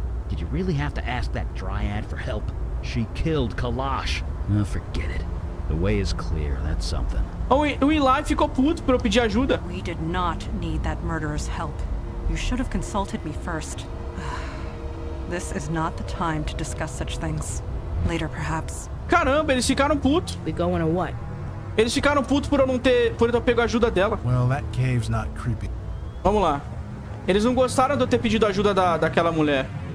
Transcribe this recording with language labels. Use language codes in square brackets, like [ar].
[en] Did you really have to ask that dryad for help? She killed Kalash. Oh, forget it. The way is clear, that's something. [pt] Oh, o Eli ficou puto por eu pedir ajuda. [en] We did not need that murderer's help. You should have consulted me first. This is not the time to discuss such things. Later, perhaps. [pt] Caramba, eles ficaram putos. [en] We go in a what? [pt] Eles ficaram putos por eu ter pego a ajuda dela. [en] Well, that cave's not creepy. [pt] Vamos lá. Eles não gostaram de eu ter pedido ajuda daquela mulher.